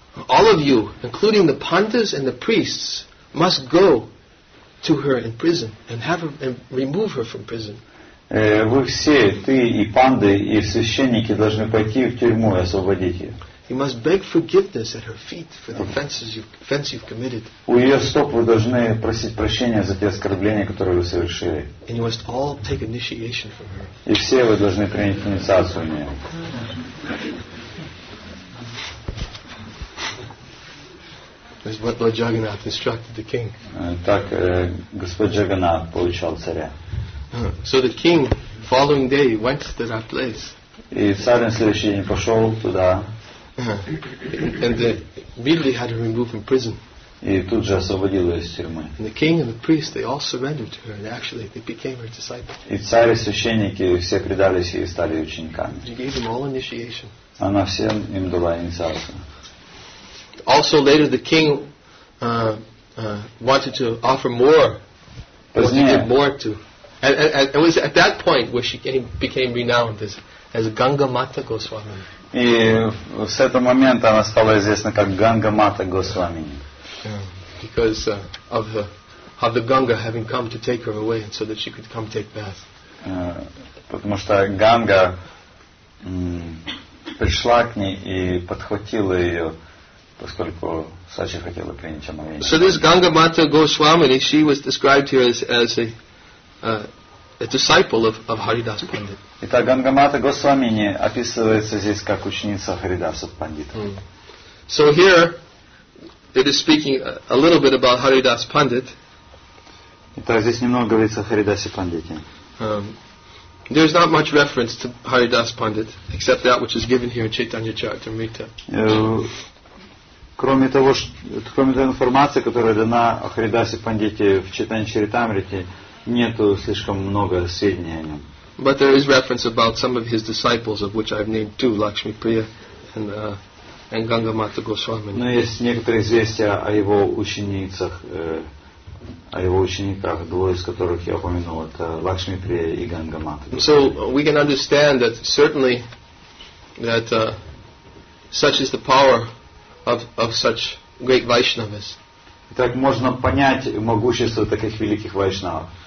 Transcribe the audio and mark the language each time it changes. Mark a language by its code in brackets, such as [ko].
[en] All of you, including the pandas and the priests, must go to her in prison and have her and remove her from prison. [ru] Вы все, ты и панды, и священники должны пойти в тюрьму и освободить ее. [en] You must beg forgiveness at her feet for the offense you've committed. [ru] У ее стоп вы должны просить прощения за те оскорбления, которые вы совершили. [en] And you must all take initiation from her. [ru] И все вы должны принять инициацию у нее. [en] That's what Lord Jagannath instructed the king. [ru] Так Господь Джаганнат получал царя. [en] So the king, following day, went to that place. [ru] И царь на следующий день пошел туда. [en] And immediately had her removed from prison. [ru] И тут же освободил ее из тюрьмы. [en] And the king and the priest, they all surrendered to her, and actually they became her disciples. [ru] И царь и священники все предались ей и стали учениками. [en] She gave them all initiation. [ru] Она всем им дала инициацию. [en] Also later, the king wanted to offer more. [ru] Позднее. [en] Wanted more to. And it was at that point where she became renowned as Ganga Mata Goswami. [ru] И с этого момента она стала известна как Ганга Мата Госвами. [en] Because of the Ganga having come to take her away, so that she could come take bath. [ru] Потому что Ганга пришла к ней и подхватила ее, поскольку Сачи хотела принять омовение. [en] So this Ганга Мата Госвами, she was described here as a disciple of Haridas Pandit. [ru] Итак, Гангамата Госвамини описывается здесь как ученица Харидаса Пандита. [en] So here it is speaking a little bit about Haridas Pandit. [ru] Итак, здесь немного говорится о Харидасе Пандите. [en] There is not much reference to Haridas Pandit except that which is given here in Chaitanya Charitamrita. [ru] Кроме того информации, которая дана о Харидасе Пандите в Чайтанья Чаритамрите, нету слишком много сведений о нем. [en] But there is reference about some of his disciples, of which I've named two, Lakshmi Priya and Ganga Mata Goswami. [ru] Но есть некоторые известия о его ученицах, о его учениках, двое из которых я упомянул, это Лакшми Прия и Ганга Мата. [en] So we can understand that certainly that such is the power of such great Vaishnavas. [ru] Так можно понять могущество таких великих вайшнав.